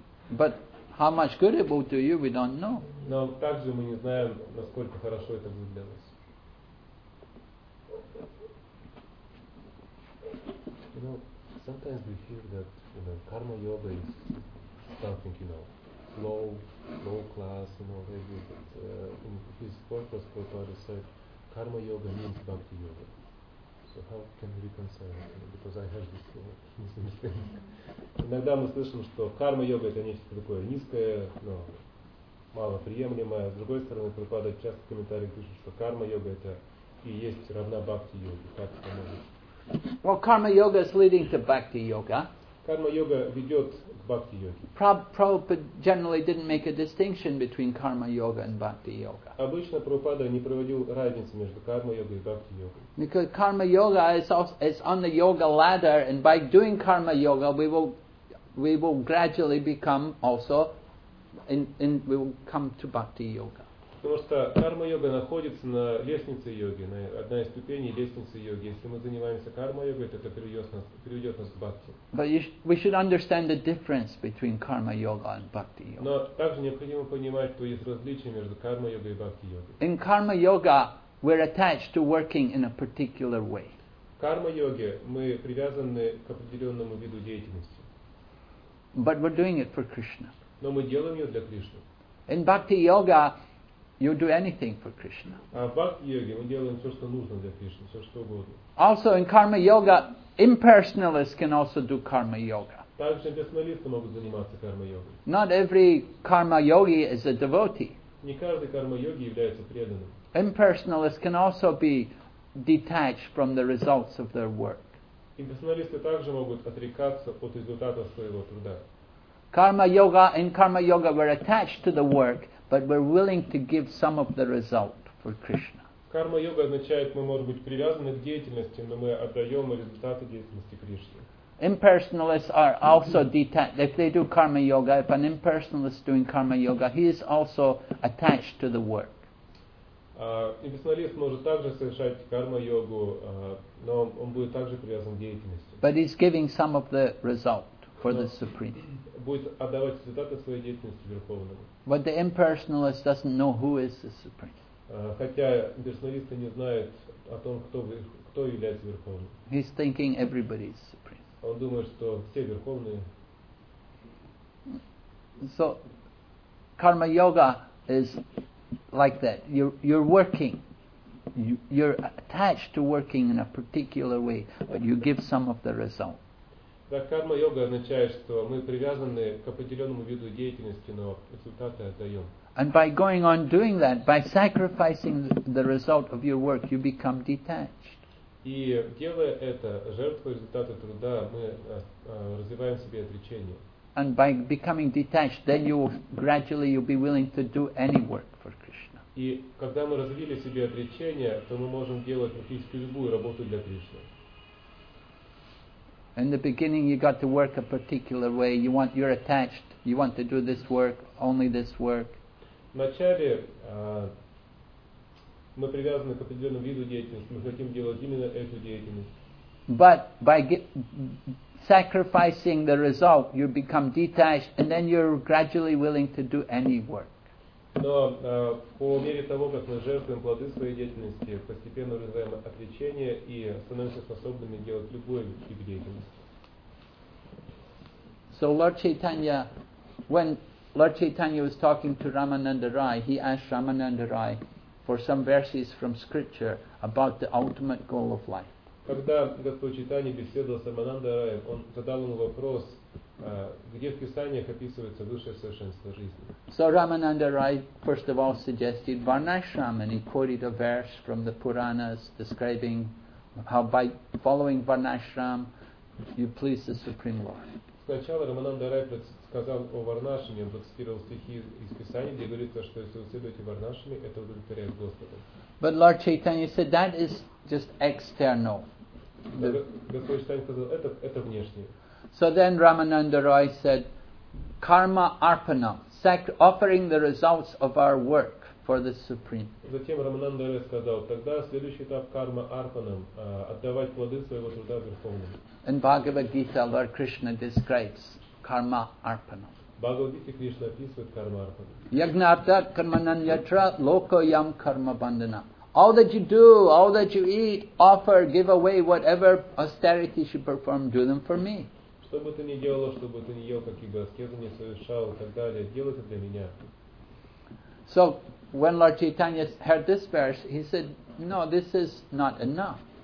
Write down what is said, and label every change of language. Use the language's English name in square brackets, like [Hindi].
[English] But how much good it will do you, we don't know. [Russian] Но также мы не знаем, насколько хорошо это будет для нас. [English] You know, sometimes we hear that, you know, karma yoga is something, you know, low class, you know, very good. But in his purpose, Prabhupada said, karma yoga means bhakti yoga. So how can we reconcile it? Because I have this misunderstanding. [Russian] Иногда мы слышим, что карма-йога – это нечто такое низкое, но малоприемлемое. С другой стороны, Прабхупада часто в комментариях пишет, что карма-йога – это и есть равна бхакти-йоге. Как это может? [English] Well, karma-yoga is leading to bhakti-yoga. [Russian] Карма-йога ведет к бхакти-йоге. [English] Prabhupada generally didn't make a distinction between karma-yoga and bhakti-yoga. [Russian] Обычно Прабхупада не проводил разницы между карма-йогой и бхакти-йогой. [English] Because karma-yoga is on the yoga ladder, and by doing karma-yoga, we will gradually become also, and we will come to bhakti-yoga. [Russian] Потому что карма-йога находится на лестнице йоги, на одной из ступеней лестницы йоги. Если мы занимаемся карма-йогой, то это приведет нас к бхакти. [English] But we should understand the difference between karma-yoga and bhakti-yoga. [Russian] Но также необходимо понимать, что есть различия между карма-йогой и бхакти-йогой. [English] In karma-yoga, we're attached to working in a particular way. [Russian] В карма-йоге мы привязаны к определенному виду деятельности. [English] But we're doing it for Krishna. [Russian] Но мы делаем ее для Кришны. [English] In bhakti-yoga, you do anything for Krishna. [Russian] А в бхакти-йоге мы делаем все, что нужно для Кришны, все, что угодно. [English] Also, in karma-yoga, impersonalists can also do karma-yoga. [Russian] Также бессмертные могут заниматься карма-йогой. [English] Not every karma-yogi is a devotee. [Russian] Не каждый карма-йоги является преданным. [English] Impersonalists can also be detached from the results of their work. [Russian] Impersonalists также могут отрекаться от результатов своего труда. [English] Karma yoga and karma yoga, we're attached to the work, but we're willing to give some of the result for Krishna. [Russian] Karma yoga означает, мы можем быть привязаны к деятельности, но мы отдаем результаты деятельности Кришне. [English] Impersonalists are also detached. If they do karma yoga, if an impersonalist is doing karma yoga, he is also attached to the work. [Russian] Impersonalist может также совершать карма йогу, но он будет также привязан к деятельности. [English] But he's giving some of the result for the supreme. [Russian] Будет отдавать результаты своей деятельности верховному. [English] But the impersonalist doesn't know who is the supreme. [Russian] Хотя имперсоналисты не знают о том, кто является верховным. [English] He's thinking everybody is supreme. [Russian] Он думает, что все верховные. [English] So, karma yoga is like that. You're working. You're attached to working in a particular way, but you give some of the result. [Russian] Так карма йога означает, что мы привязаны к определенному виду деятельности, но результаты отдаем. [English] And by going on doing that, by sacrificing the result of your work, you become detached. [Russian] И делая это, жертвуя результаты труда, мы развиваем в себе отречение. [English] And by becoming detached, then you'll be willing to do any work for Krishna. [Russian] И когда мы развили в себе отречение, то мы можем делать практически любую работу для Кришны. [English] In the beginning, you got to work a particular way. You're attached. You want to do this work, only this work. [Russian] Вначале мы привязаны к определенному виду деятельности. Мы хотим делать именно эту деятельность. [English] But by sacrificing the result, you become detached, and then you're gradually willing to do any work. [Russian] Но по мере того, как мы жертвуем плоды своей деятельности, постепенно развиваем отречение и становимся способными делать любой тип деятельности. [English] So Lord Chaitanya was talking to Ramananda Rai, he asked Ramananda Rai for some verses from scripture about the ultimate goal of life. [Russian] Когда Господь Чайтанья беседовал с Рамананда Рай, он задал ему вопрос, где в Писаниях описывается высшее совершенство жизни. [English] So Ramananda Rai first of all suggested Varnashram, and he quoted a verse from the Puranas describing how by following Varnashram you please the Supreme Lord. [Russian] Сначала Рамананда Рай сказал о Варнашраме, он процитировал стихи из Писания, где говорится, что если вы следуете Варнашраме, это удовлетворяет Господа. [English] But Lord Chaitanya said that is just external. [Russian] Господь Чайтанья сказал, это внешнее. [English] So then Ramananda Rai said, karma arpana, offering the results of our work for the Supreme. [Russian] Затем Рамананда Рай сказал, тогда следующий этап карма арпана, отдавать плоды своего труда верховному. [English] In Bhagavad Gita, Lord Krishna describes karma arpana. [Sanskrit] Yagnartat karmanan yatra loko yam karma bandana. [English] All that you do, all that you eat, offer, give away, whatever austerities you perform, do them for me. [Russian] Что бы ты ни делал, что бы ты ни ел, какие бы аскезы ни совершал и так далее, делай это для меня. [English] So when Lord Chaitanya heard this verse, he said, no, this is not enough.